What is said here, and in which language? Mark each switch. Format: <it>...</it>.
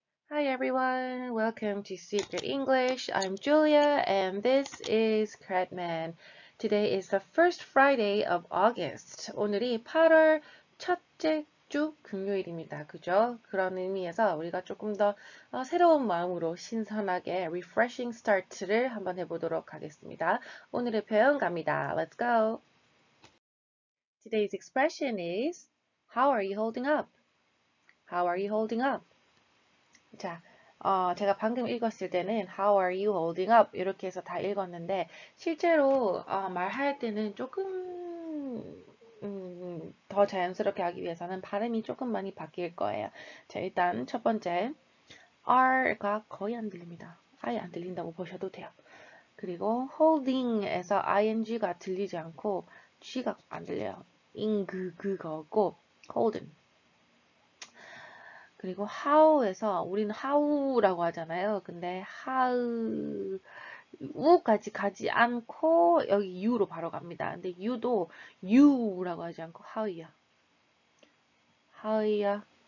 <en>Hi everyone, welcome to Secret English. I'm Julia and this is Cretman. Today is the first Friday of August.</en> <ko>오늘이 8월 첫째 주 금요일입니다. 그죠? 그런 의미에서 우리가 조금 더 새로운 마음으로 신선하게</ko> <en>refreshing start</en> <ko>를 한번 해보도록 하겠습니다. 오늘의 표현 갑니다.</ko> <en>Let's go! Today's expression is How are you holding up? How are you holding up?</en> <ko>자, 제가 방금 읽었을 때는</ko> <en>How are you holding up?</en> <ko>이렇게 해서 다 읽었는데 실제로 말할 때는 조금 더 자연스럽게 하기 위해서는 발음이 조금 많이 바뀔 거예요. 자, 일단 첫 번째 R가 거의 안 들립니다. 아예 안 들린다고 보셔도 돼요. 그리고 holding에서 ing가 들리지 않고 g가 안 들려요. ing 그거고 holding. 그리고 how에서 우리는 how라고 하잖아요. 근데 how, u까지 가지 않고 여기 u로 바로 갑니다. 근데 u도 u라고 하지 않고 how이야. how이야.</ko>